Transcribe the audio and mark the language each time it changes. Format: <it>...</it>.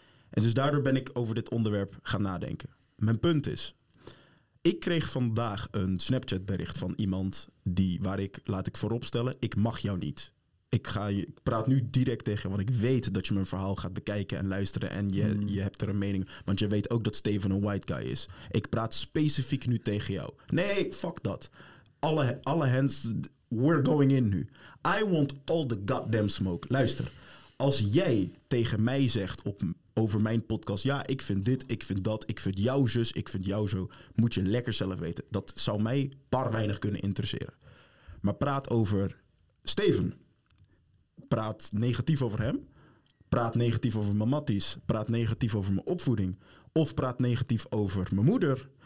<nl>En dus daardoor ben ik over dit onderwerp gaan nadenken. Mijn punt is, ik kreeg vandaag een Snapchat bericht van iemand die laat ik vooropstellen, ik mag jou niet. Ik praat nu direct tegen je, want ik weet dat je mijn verhaal gaat bekijken en luisteren. En je hebt er een mening. Want je weet ook dat Steven een white guy is. Ik praat specifiek nu tegen jou. Nee, fuck dat.</nl> <en>Alle hands, we're going in nu. I want all the goddamn smoke.</en> <nl>Luister, als jij tegen mij zegt over mijn podcast... ja, ik vind dit, ik vind dat, ik vind jou zus, ik vind jou zo... moet je lekker zelf weten. Dat zou mij bar weinig kunnen interesseren. Maar praat over Steven... praat negatief over hem, praat negatief over mijn matties, praat negatief over mijn opvoeding, of praat negatief over mijn moeder.</nl>